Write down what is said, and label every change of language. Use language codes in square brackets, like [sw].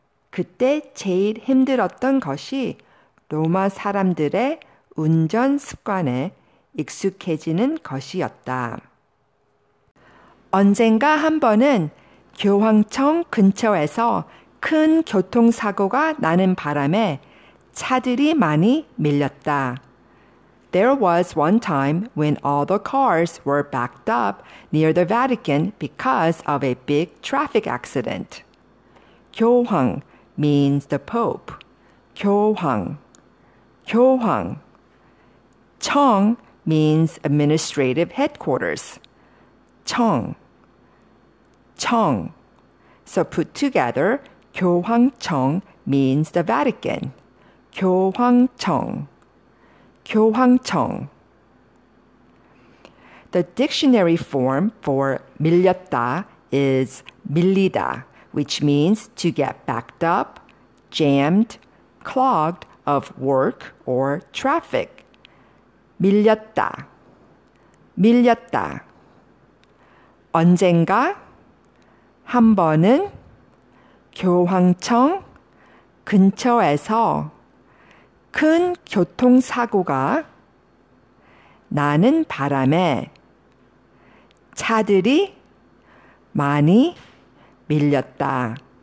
[ko] 그때 제일 힘들었던 것이 로마 사람들의 운전 습관에 익숙해지는 것이었다. 언젠가 한 번은 교황청 근처에서 큰 교통사고가 나는 바람에 차들이 많이 밀렸다. [en] There was one time when all the cars were backed up near the Vatican because of a big traffic accident. 교황 means the Pope. 교황, 교황. 청 means administrative headquarters. 청, 청. So put together, 교황청 means the Vatican. [ko] 교황청, 교황청. [en] The dictionary form for 밀렸다 is 밀리다, which means to get backed up, jammed, clogged of work or traffic. [ko] 밀렸다, 밀렸다. 언젠가 한 번은 교황청 근처에서 큰 교통사고가 나는 바람에 차들이 많이 밀렸다.